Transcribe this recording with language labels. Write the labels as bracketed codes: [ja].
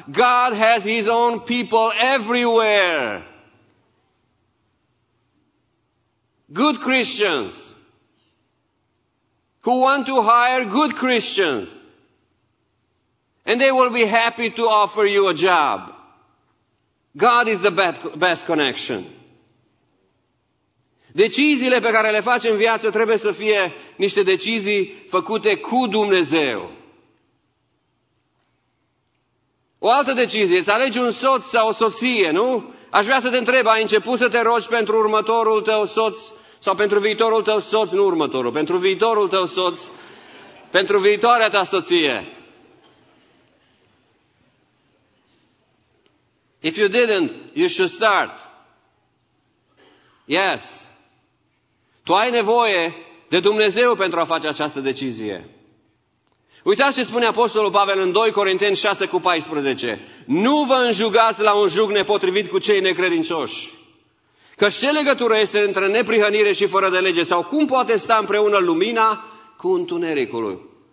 [en] God has His own people everywhere. Good Christians. Who want to hire good Christians. And they will be happy to offer you a job. God is the best connection. [ro] Deciziile pe care le faci în viață trebuie să fie niște decizii făcute cu Dumnezeu. O altă decizie, îți alegi un soț sau o soție, nu? Aș vrea să te întreb, ai început să te rogi pentru următorul tău soț sau pentru viitorul tău soț, nu următorul, pentru viitorul tău soț, pentru viitoarea ta soție? [en] If you didn't, you should start. Yes. [ro] Tu ai nevoie de Dumnezeu pentru a face această decizie. Uitați ce spune Apostolul Pavel în 2 Corinteni 6:14. Nu vă înjugați la un jug nepotrivit cu cei necredincioși. Căci ce legătură este între neprihănire și fără de lege? Sau cum poate sta împreună lumina cu întunericul?